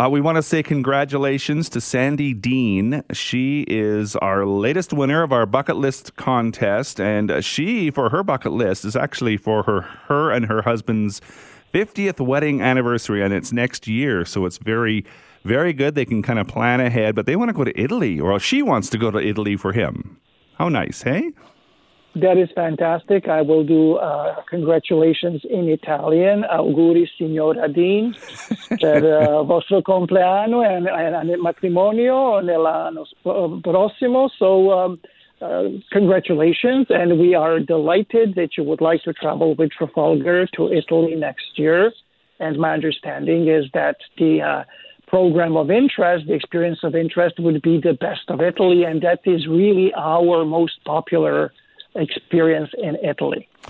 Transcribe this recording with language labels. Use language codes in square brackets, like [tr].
[en] We want to say congratulations to Sandy Dean. She is our latest winner of our bucket list contest, and she, for her bucket list, is actually for her and her husband's 50th wedding anniversary, and it's next year, so it's very, very good. They can kind of plan ahead, but they want to go to Italy, or she wants to go to Italy for him. How nice, hey? That is fantastic. I will do congratulations in Italian. [it] Auguri, signora Dean, per vostro compleanno e matrimonio nell'anno prossimo. [en] So, congratulations. And we are delighted that you would like to travel with Trafalgar to Italy next year. And my understanding is that the program of interest, the experience of interest, would be the best of Italy. And that is really our most popular experience in Italy.